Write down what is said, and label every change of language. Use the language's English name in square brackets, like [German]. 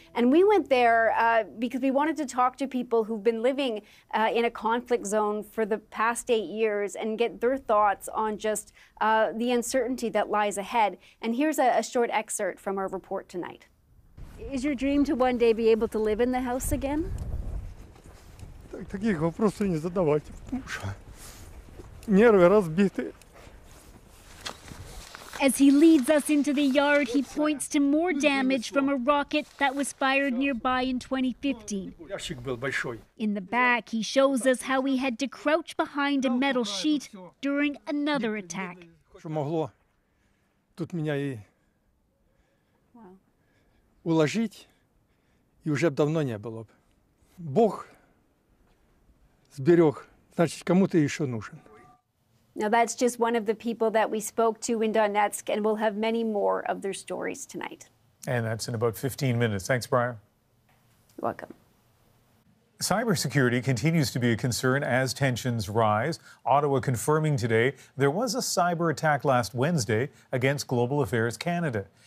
[English] And we went there because we wanted to talk to people who've been living in a conflict zone for the past 8 years and get their thoughts on just the uncertainty that lies ahead. And here's a short excerpt from our report tonight. Is your dream to one day be able to live in the house again? [Russian] Таких вопросов не задавайте, потому что нервы разбиты. [English] As he leads us into the yard, he points to more damage from a rocket that was fired nearby in 2015. In the back, he shows us how he had to crouch behind a metal sheet during another attack. [Russian] Уложить, и уже давно не было бы. Бог сберег, значит, кому-то еще нужен. [English] Now that's just one of the people that we spoke to in Donetsk, and we'll have many more of their stories tonight. And that's in about 15 minutes. Thanks, Briar. You're welcome. Cybersecurity continues to be a concern as tensions rise. Ottawa confirming today there was a cyber attack last Wednesday against Global Affairs Canada.